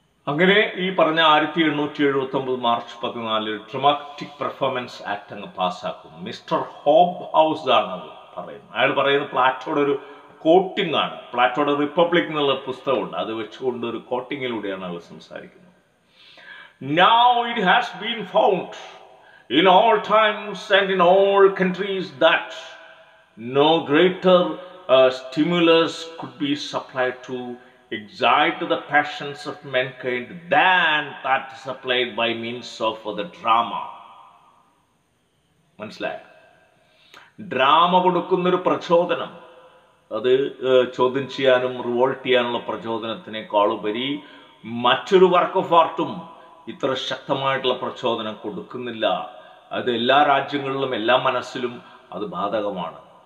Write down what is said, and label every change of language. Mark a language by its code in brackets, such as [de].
[ml] അങ്ങനെ ഈ പറഞ്ഞ 1879 മാർച്ച് 14 ഡ്രമാറ്റിക് പെർഫോമൻസ് ആക്ട് അങ്ങ് പാസ്സാക്കും. മിസ്റ്റർ ഹോബ് ഹൗസ് ആണ് അത് പറയുന്നത്. അയാൾ പറയുന്നത് പ്ലാറ്റോയുടെ ഒരു കോട്ടിംഗ് ആണ്. പ്ലാറ്റോയുടെ റിപ്പബ്ലിക് എന്നുള്ള പുസ്തകമുണ്ട്, അത് വെച്ചുകൊണ്ട് ഒരു കോട്ടിങ്ങിലൂടെയാണ് അയാൾ സംസാരിക്കുന്നത്. [en] Now it has been found in all times and in all countries that no greater stimulus could be supplied to excite the passions of mankind than that supplied by means of the drama. [ml] മനസ്സിലായ drama കൊടുക്കുന്ന ഒരു പ്രചോദനം, അത് ചോദ്യം ചെയ്യാനും revolt ചെയ്യാനുള്ള പ്രചോദനത്തിനേക്കാളുപരി മറ്റൊരു work of ആർട്ടും ഇത്ര ശക്തമായിട്ടുള്ള പ്രചോദനം കൊടുക്കുന്നില്ല അത് എല്ലാ രാജ്യങ്ങളിലും എല്ലാ മനസ്സിലും അത് ബാധകമാണ്.